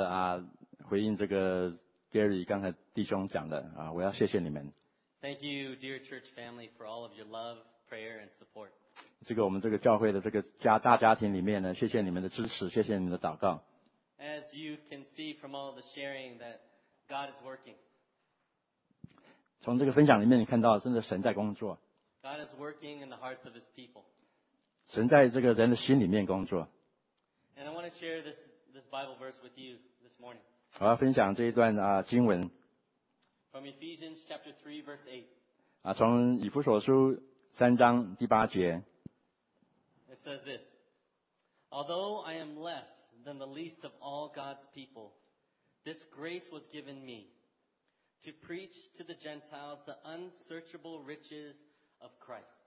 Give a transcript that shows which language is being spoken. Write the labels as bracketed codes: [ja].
[zh] 我需要同样的回应这个 Gary 刚才弟兄讲的，我要谢谢你们。 [en] Thank you, dear church family, for all of your love, prayer, and support. [zh] 这个我们这个教会的这个大家庭里面呢，谢谢你们的支持，谢谢你们的祷告。 [en] As you can see from all the sharing, that God is working. [zh] 从这个分享里面，你看到真的神在工作。 [en] God is working in the hearts of His people. [zh] 神在这个人的心里面工作。 [en] And I want to share this Bible verse with you this morning. [zh] 我要分享这一段经文。 [en] From Ephesians chapter 3, verse 8. [zh] 从以弗所书3章第8节。 [en] It says this. Although I am less than the least of all God's people, this grace was given me to preach to the Gentiles the unsearchable riches of Christ.